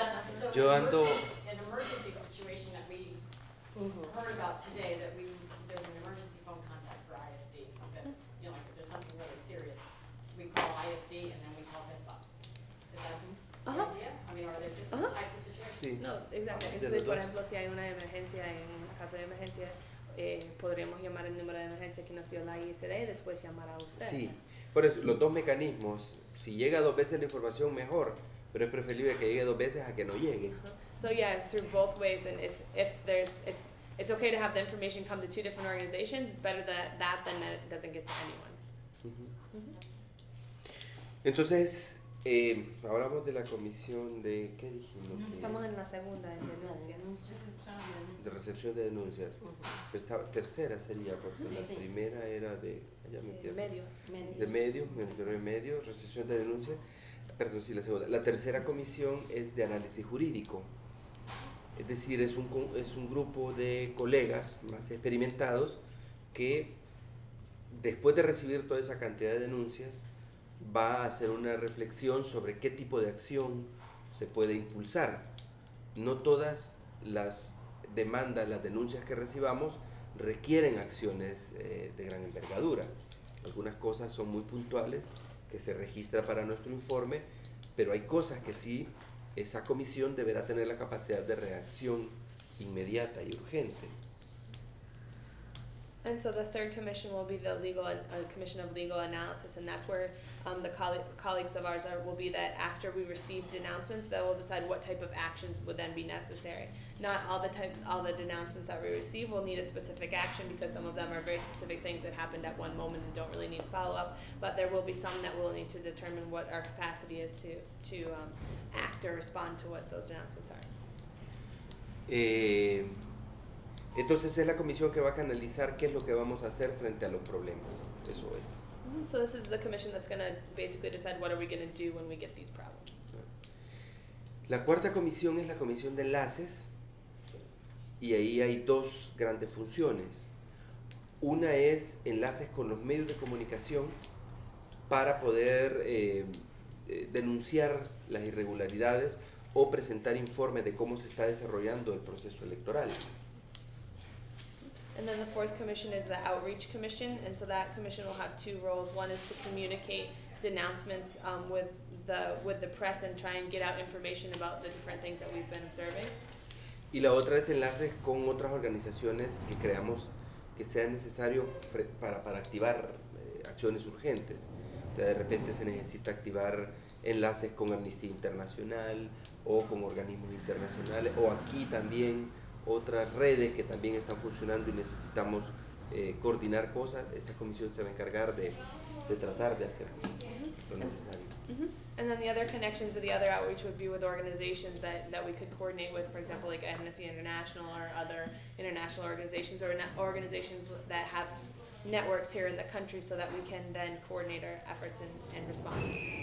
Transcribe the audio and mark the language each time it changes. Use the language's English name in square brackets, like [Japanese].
[English] So in an emergency situation that we heard about today, that there's an emergency phone contact for ISD, that, you know, like if there's something really serious, we call ISD and then we call HISPA. [Spanish] Sí, por eso, los dos mecanismos, si llega dos veces la información, mejor, pero es preferible que llegue dos veces a que no llegue. [English] So yeah, through both ways, and if there's, it's okay to have the information come to two different organizations, it's better that than that it doesn't get to anyone. Mm-hmm. Mm-hmm. [Spanish] Entonces, hablamos de la comisión de, ¿qué dijimos? No, estamos en la segunda, de denuncias. De recepción de denuncias. Pues está, tercera sería, porque la primera era de, allá me pierdo. De medios, recepción de denuncias. Perdón, sí, la segunda. La tercera comisión es de análisis jurídico. Es decir, es un grupo de colegas más experimentados que después de recibir toda esa cantidad de denuncias va a hacer una reflexión sobre qué tipo de acción se puede impulsar. No todas las demandas, las denuncias que recibamos requieren acciones de gran envergadura. Algunas cosas son muy puntuales que se registra para nuestro informe, pero hay cosas que sí esa comisión deberá tener la capacidad de reacción inmediata y urgente. [English] And so the third commission will be the commission of legal analysis, and that's where the colleagues of ours will be. That after we receive denouncements, they will decide what type of actions would then be necessary. Not all the denouncements that we receive will need a specific action, because some of them are very specific things that happened at one moment and don't really need follow up. But there will be some that will need to determine what our capacity is to act or respond to what those denouncements are. [Spanish] Entonces es la comisión que va a canalizar qué es lo que vamos a hacer frente a los problemas. Eso es. [English] So this is the commission that's going to basically decide what are we going to do when we get these problems. [Spanish] La cuarta comisión es la comisión de enlaces, y ahí hay dos grandes funciones. Una es enlaces con los medios de comunicación para poder denunciar las irregularidades o presentar informes de cómo se está desarrollando el proceso electoral. [English] And then the fourth commission is the outreach commission, and so that commission will have two roles. One is to communicate denouncements with the press and try and get out information about the different things that we've been observing. [Spanish] Y la otra es enlaces con otras organizaciones que creamos que sea necesario para activar acciones urgentes. O sea, de repente se necesita activar enlaces con Amnistía Internacional o con organismos internacionales, o aquí también otras redes que también están funcionando y necesitamos coordinar cosas. Esta comisión se va a encargar de tratar de hacer lo necesario. [English] And then the other connections or the other outreach would be with organizations that we could coordinate with, for example, like Amnesty International or other international organizations or organizations that have networks here in the country, so that we can then coordinate our efforts and responses.